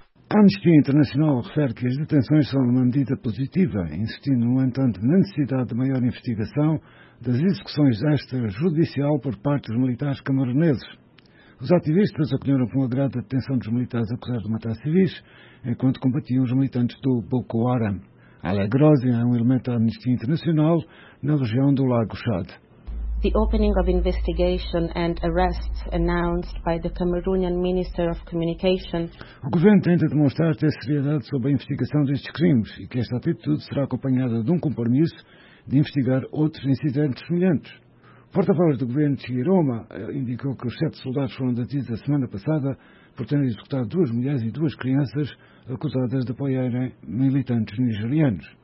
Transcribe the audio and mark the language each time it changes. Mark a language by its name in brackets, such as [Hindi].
[Portuguese] A Amnistia Internacional refere que as detenções são uma medida positiva, insistindo, no entanto, na necessidade de maior investigação das execuções extrajudicial por parte dos militares camaroneses. Os ativistas acolheram com agrado a detenção dos militares acusados de matar civis, enquanto combatiam os militantes do Boko Haram. Ale Grozzi é um elemento da Amnistia Internacional na região do Lago Chad. [English] The opening of investigation and arrest announced by the Cameroonian Minister of Communication. [Portuguese] O governo tenta demonstrar ter seriedade sobre a investigação destes crimes e que esta atitude será acompanhada de um compromisso de investigar outros incidentes semelhantes. Porta-voz do governo de Chiroma indicou que os 7 soldados foram detidos a semana passada por terem executado 2 mulheres e 2 crianças acusadas de apoiarem militantes nigerianos.